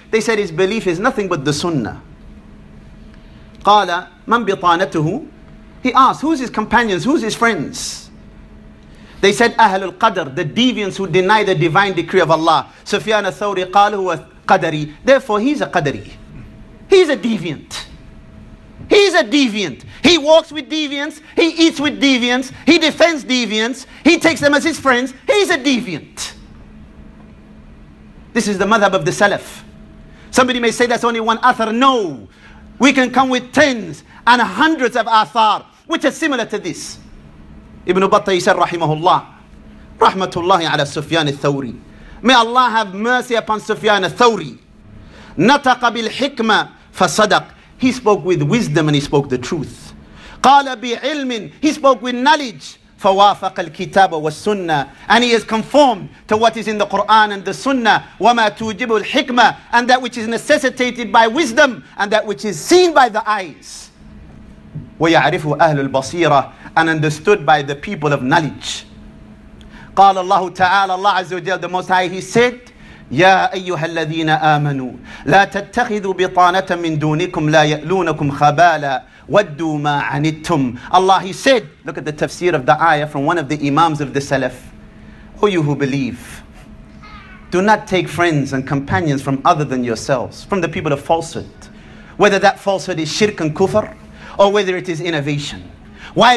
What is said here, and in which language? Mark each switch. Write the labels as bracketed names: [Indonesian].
[English] They said, his belief is nothing but the sunnah. [Arabic] قَالَ مَنْ بِطَانَتُهُ? [English] He asked, who's his companions? Who's his friends? They said, [Arabic] أَهْلُ الْقَدْرِ, [English] the deviants who deny the divine decree of Allah. [Arabic] Sufyan al-Thawri قَالَ هُوَ قَدَرِي. [English] Therefore, he's a qadri. He's a deviant. He's a deviant. He walks with deviants. He eats with deviants. He defends deviants. He takes them as his friends. He's a deviant. This is the madhab of the Salaf. Somebody may say that's only one athar. No. We can come with tens and hundreds of athar, which is similar to this. Ibn Battah said, rahimahullah, [Arabic] rahmatullahi ala [English] Sufyan al-Thawri. May Allah have mercy upon Sufyan al-Thawri. [Arabic] Nataqa bil-hikma fasadaq. [English] He spoke with wisdom and he spoke the truth. [Arabic] Qala bi-ilmin. [English] He spoke with knowledge. [Arabic] فوافق الكتاب والسنة, [English] and he is conformed to what is in the Quran and the Sunnah. [Arabic] وما توجب الحكمة, [English] and that which is necessitated by wisdom, and that which is seen by the eyes. [Arabic] ويعرف أهل البصيرة, [English] and understood by the people of knowledge. [Arabic] قال الله تعالى, الله عز وجل, [English] the Most High, he said, [Arabic] يا أيها الذين آمنوا لا تتخذوا بطانة من دونكم لا يألونكم خبالا وَدُّوا مَا عَنِتُّمْ. [English] Allah, he said, look at the tafsir of the ayah from one of the imams of the Salaf. O you who believe, do not take friends and companions from other than yourselves, from the people of falsehood, whether that falsehood is shirk and kufr, or whether it is innovation. Why?